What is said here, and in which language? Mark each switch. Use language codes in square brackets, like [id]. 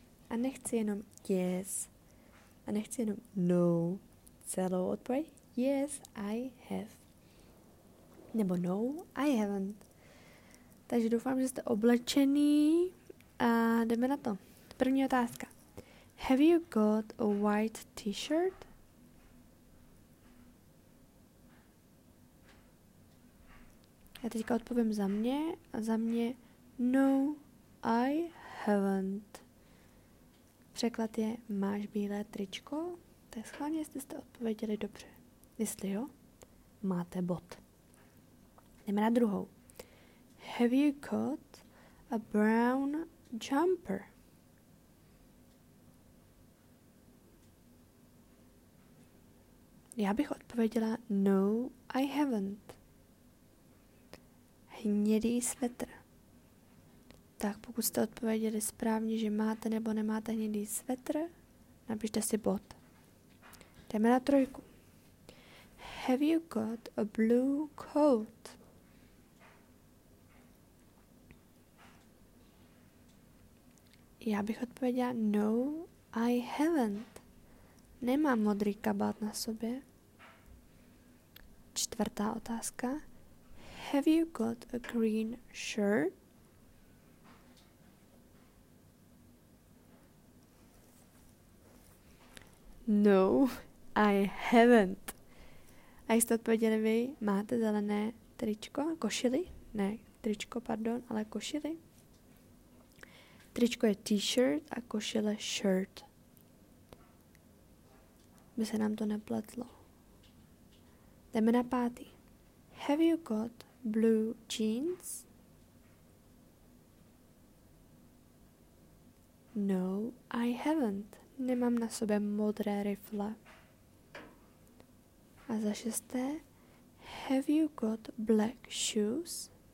[cs] A nechci jenom [en] yes, [cs] a nechci jenom [en] no, [cs] celou odpověď [en] yes I have, [cs] nebo [en] no I haven't. [cs] Takže doufám, že jste oblečený a jdeme na to. První otázka. [en] Have you got a white t-shirt? [cs] Já teďka odpovím za mě a za mě [en] no, I haven't. [cs] Překlad je máš bílé tričko? To je schválně, jestli jste odpověděli dobře. Jestli jo, máte bot. Jdeme na druhou. [en] Have you got a brown jumper? [cs] Já bych odpověděla [en] no, I haven't. [cs] Hnědý svetr. Tak pokud jste odpověděli správně, že máte nebo nemáte hnědý svetr, napište si bod. Jdeme na trojku. [en] Have you got a blue coat? [cs] Já bych odpověděla [en] no, I haven't. [cs] Nemám modrý kabát na sobě. Čtvrtá otázka. [en] Have you got a green shirt? No, I haven't. [cs] A jste odpověděli vy, máte zelené tričko, košily? Ne, tričko, pardon, ale košily. Tričko je t-shirt a košile shirt. By se nám to nepletlo. Jdeme na pátý. [en] Have you got blue jeans? No, I haven't. [cs] Nemám na sobě modré rifle. A za šesté. [en] Have you got black shoes?